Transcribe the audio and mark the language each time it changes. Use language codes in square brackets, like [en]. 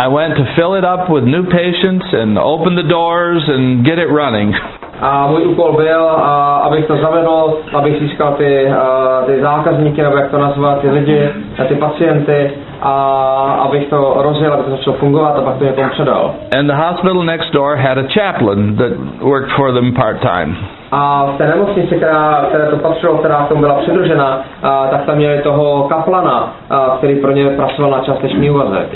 [en] I went to fill it up with new patients and open the doors and get it running. [cs] A můj úkol byl, abych to zavedl, abych získal ty zákazníky, nebo jak to nazvat, ty lidi, ty pacienty, a abych to rozjel, aby to začalo fungovat, a pak to někomu předal. [en] And the hospital next door had a chaplain that worked for them part-time. [cs] A v té nemocnici, která to patřilo, která k tomu byla přidružena, tak tam měli toho kaplana, který pro ně pracoval na částečný úvazek.